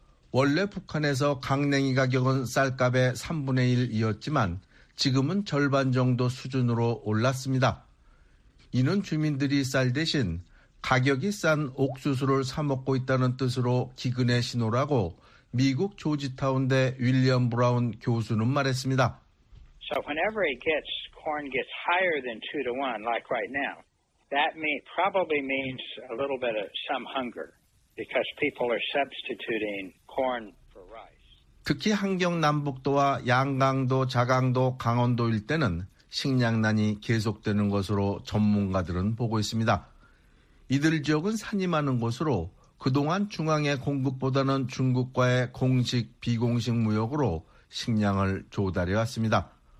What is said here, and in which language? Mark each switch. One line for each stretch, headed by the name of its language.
Korean: 원래 북한에서 강냉이 가격은 쌀값의 3분의 1이었지만 지금은 절반 정도 수준으로 올랐습니다. 이는 주민들이 쌀 대신 가격이 싼 옥수수를 사 먹고 있다는 뜻으로 기근의 신호라고 미국 조지타운대 윌리엄 브라운 교수는 말했습니다.
English: So whenever it gets corn gets higher than 2-1 like right now, that may probably means a little bit of some hunger because people are substituting corn for rice.
Korean: 특히 함경 남북도와 양강도, 자강도, 강원도 일대는 식량난이 계속되는 것으로 전문가들은 보고 있습니다. 이들 지역은 산이 많은 곳으로 그동안 중앙의 공급보다는 중국과의 공식, 비공식 무역으로 식량을 조달해 왔습니다.